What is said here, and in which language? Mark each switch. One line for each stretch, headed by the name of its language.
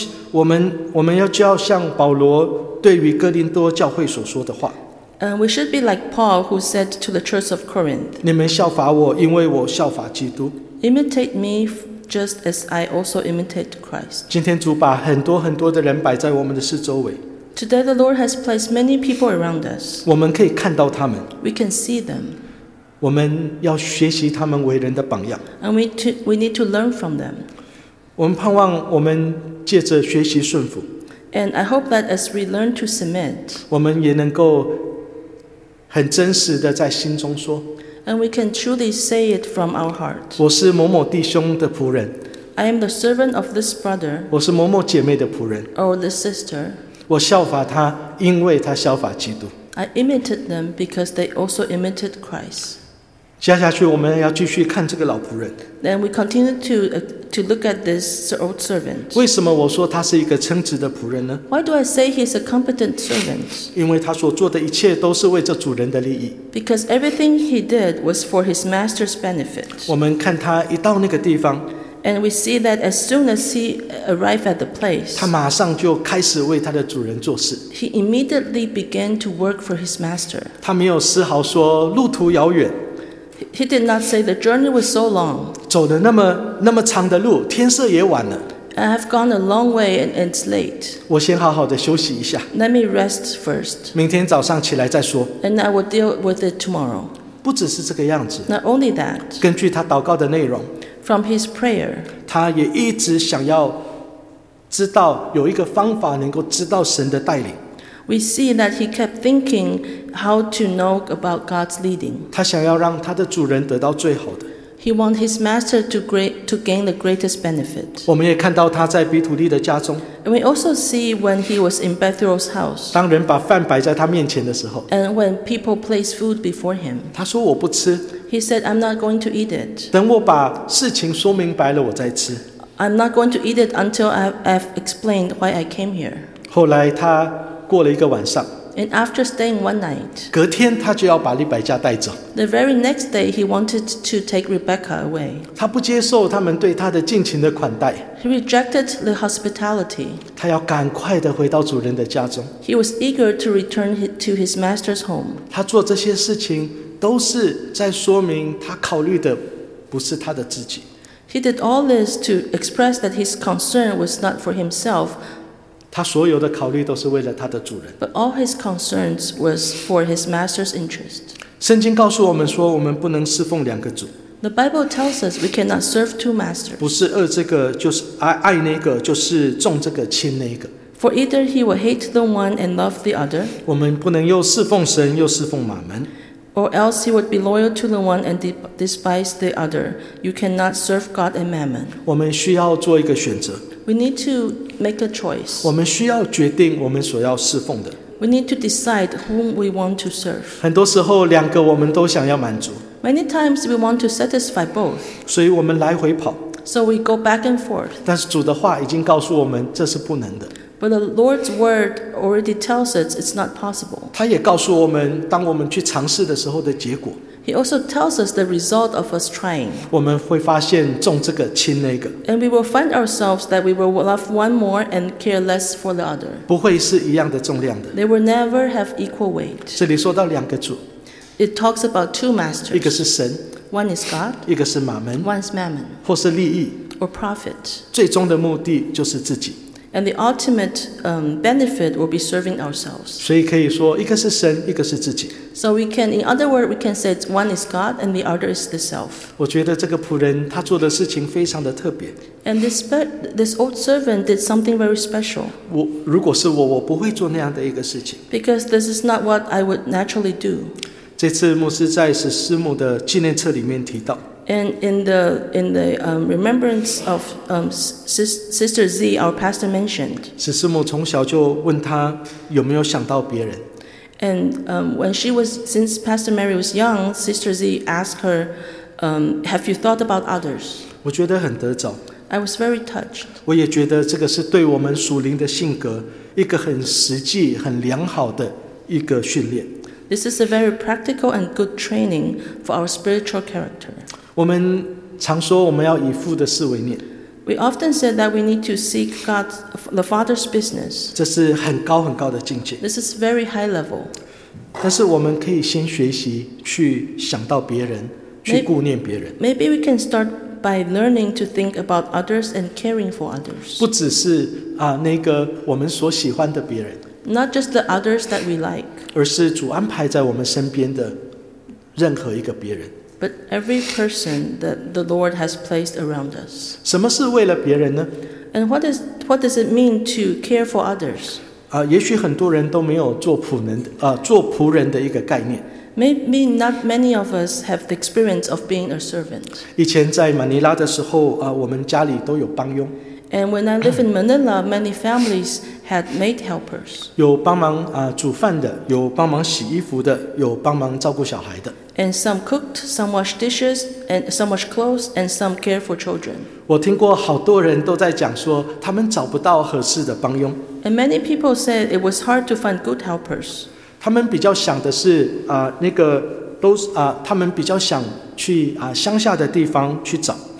Chinese: 我们要像保罗对于哥林多教会所说的话。
English: We should be like Paul who said to the church of Corinth,
Chinese: 你们效法我，因为我效法基督。
English: Imitate me just as I also imitate Christ.
Chinese: 今天主把很多很多的人摆在我们的四周围。
English: Today the Lord has placed many people around us.
Chinese: 我们可以看到他们。
English: We can see them.
Chinese: 我们要学习他们为人的榜样。
English: And we need to learn from them.
Chinese: 我们盼望我们借着学习顺服。
English: And I hope that as we learn to submit,
Chinese: 我们也能够很真实的在心中说
English: ，And we can truly say it from our heart.
Chinese: 我是某某弟兄的仆人
English: ，I am the servant of this brother.
Chinese: 我是某某姐妹的仆人
English: ，or the sister.
Chinese: 我效法他，因为他效法基督。
English: I imitate them because they also imitate Christ.
Chinese: 接下去我们要继续看这个老仆人。
English: Then we continue to look at this old servant.
Chinese: 为什么我说他是一个称职的仆人呢
English: ？Why do I say he's a competent servant？
Chinese: 因为他所做的一切都是为着主人的利益。
English: Because everything he did was for his master's benefit.
Chinese: 我们看他一到那个地方
English: ，and we see that as soon as he arrived at the place，
Chinese: 他马上就开始为他的主人做事。
English: He immediately began to work for his master.
Chinese: 他没有丝毫说路途遥远。
English: He did not say the journey was so long.
Chinese: 走了那么长的路，天色也晚了。
English: I have gone a long way and it's late.
Chinese: 我先好好的休息一下。
English: Let me rest first.
Chinese: 明天早上起来再说。
English: And I will deal with it tomorrow.
Chinese: 不只是这个样子。
English: Not only that.
Chinese: 根据他祷告的内容。
English: From his prayer.
Chinese: 他也一直想要知道有一个方法能够知道神的带领。
English: we see that he kept thinking how to know about God's leading.
Chinese: 他想要让他的主人得到最好的。
English: He wants his master to gain the greatest benefit.
Chinese: 我们也看到他在比土利的家中。
English: And we also see when he was in Bethuel's house.
Chinese: 当人把饭摆在他面前的时候。
English: And when people place food before him.
Chinese: 他说我不吃。
English: He said, I'm not going to eat it.
Chinese: 等我把事情说明白了我再吃。
English: I'm not going to eat it until I've explained why I came here.
Chinese: 后来他过了一个晚上。
English: And after staying one night,
Chinese: 隔天他就要把利百加带走。
English: The very next day, he wanted to take Rebecca away.
Chinese: 他不接受他们对他的尽情的款待。
English: He rejected the hospitality.
Chinese: 他要赶快的回到主人的家中。
English: He was eager to return to his master's home.
Chinese: 他做这些事情都是在说明他考虑的不是他的自己。
English: He did all this to express that his concern was not for himself.
Chinese: 他所有的考虑都是为了他的主人。
English: But all his concerns was for his master's interest.
Chinese: 圣经告诉我们说，我们不能侍奉两个主。
English: The Bible tells us we cannot serve two masters.
Chinese: 不是恶这个，就是爱那个，就是重这个轻那个。
English: For either he will hate the one and love the other.
Chinese: 我们不能又侍奉神又侍奉马门。
English: Or else he would be loyal to the one and despise the other. You cannot serve God and mammon.
Chinese: 我们需要做一个选择。
English: We need to make a choice.
Chinese: 我们需要决定我们所要侍奉的。
English: We need to decide whom we want to serve.
Chinese: 很多时候两个我们都想要满足。
English: Many times we want to satisfy both.
Chinese: 所以我们来回跑。
English: So we go back and forth.
Chinese: 但是主的话已经告诉我们这是不能的。
English: But the Lord's word already tells us it's not possible.
Chinese: 他也告诉我们当我们去尝试的时候的结果。
English: He also tells us the result of us trying.
Chinese: 我们会发现重这个轻那个。
English: And we will find ourselves that we will love one more and care less for the other.
Chinese: 不会是一样的重量的。
English: They will never have equal weight.
Chinese: 这里说到两个主。
English: It talks about two masters.
Chinese: 一个是神。
English: One is God.
Chinese: 一个是马门。
English: One is mammon.
Chinese: 或是利益。
English: Or profit.
Chinese: 最终的目的就是自己。
English: And the ultimate benefit will be serving ourselves.
Chinese: 所以可以说，一个是神，一个是自己。
English: So we can, in other words, we can say one is God and the other is the self.
Chinese: 我觉得这个仆人他做的事情非常的特别。
English: And this old servant did something very special.
Chinese: 我如果是我，我不会做那样的一个事情。
English: Because this is not what I would naturally do.
Chinese: 这次牧师在十四牧的纪念册里面提到。
English: And in the remembrance of Sister Z, our pastor mentioned.
Chinese: 十四母从小就问她有没有想到别人。
English: And when she was, since Pastor Mary was young, Sister Z asked her, "Have you thought about others?"
Chinese: 我觉得很得着。
English: I was very touched.
Chinese: 我也觉得这个是对我们属灵的性格一个很实际、很良好的一个训练。
English: This is a very practical and good training for our spiritual character.
Chinese: 我们常说我们要以父的事为念。
English: We often said that we need to seek God, the Father's business.
Chinese: 这是很高很高的境界。
English: This is very high level.
Chinese: 但是我们可以先学习去想到别人，去顾念别人。
English: Maybe we can start by learning to think about others and caring for others.
Chinese: 不只是那个我们所喜欢的别人。
English: Not just the others that we like.
Chinese: 而是主安排在我们身边的任何一个别人。
English: But every person that the Lord has placed around us.
Chinese: 什么是为了别人呢？
English: And what does it mean to care for others?
Chinese: 也许很多人都没有做仆人的一个概念。
English: Maybe not many of us have the experience of being a servant.
Chinese: 以前在马尼拉的时候，我们家里都有帮佣。
English: And when I lived in Manila, many families had maid helpers.
Chinese: 有帮忙煮饭的，有帮忙洗衣服的，有帮忙照顾小孩的。
English: And some cooked, some washed dishes, and some washed clothes, and some cared for children.
Chinese: 我听过好多人都在讲说，他们找不到合适的帮佣。
English: And many people said it was hard to find good helpers.
Chinese: 他们比较想的是那个都他们比较想去乡下的地方去找。